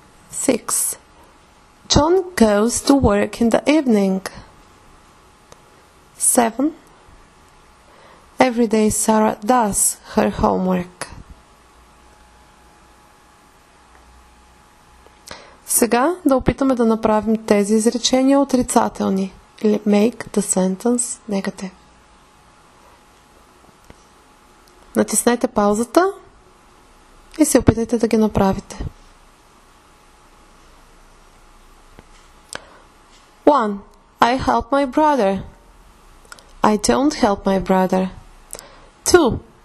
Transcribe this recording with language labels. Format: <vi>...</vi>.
<en>Six. John goes to work in the evening. Seven. Every day Sarah does her homework.</en> <bg>Сега да опитаме да направим тези изречения отрицателни.</bg> <en>Make the sentence negative.</en> <bg>Натиснете паузата и се опитайте да ги направите.</bg> <en>1. I help my brother. I don't help my brother. 2.</en>